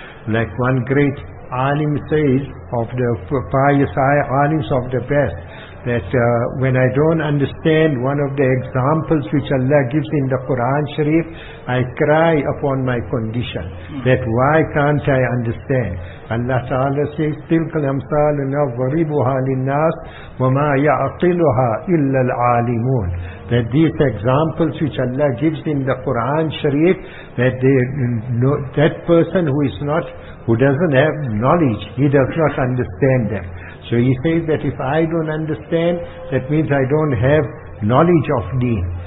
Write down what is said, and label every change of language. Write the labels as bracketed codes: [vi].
[en] Like one great alim says, of the pious alims of the past, that when I don't understand one of the examples which Allah gives in the Quran Sharif, I cry upon my condition. That why can't I understand? Allah Ta'ala says, [ar] تِلْكَ الْأَمْثَالُ نَضْرِبُهَا لِلنَّاسِ وَمَا يَعْقِلُهَا إِلَّا الْعَالِمُونَ. [en] That these examples which Allah gives in the Quran Sharif, that they, no, that person who is not, who doesn't have knowledge, he does not understand them. So he says that if I don't understand, that means I don't have knowledge of deen.